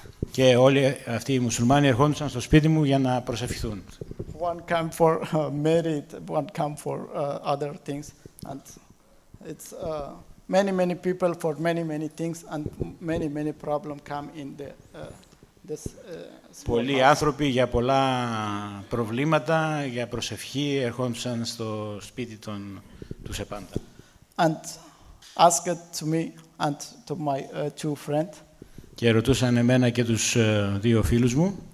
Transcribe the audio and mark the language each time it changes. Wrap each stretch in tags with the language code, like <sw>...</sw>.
<el>Και όλοι αυτοί οι μουσουλμάνοι ερχόντουσαν στο σπίτι μου για να προσευχηθούν.</el> <en>One came for merit, one came for other things, and it's many, many people for many, many things, and many, many problems come in the this.</en> <el>Πολλοί άνθρωποι για πολλά προβλήματα, για προσευχή ερχόντουσαν στο σπίτι του Σεπάντα.</el> <en>And asked to me and to my two friends.</en> <el>Και ρωτούσαν εμένα και τους δύο φίλους μου.</el>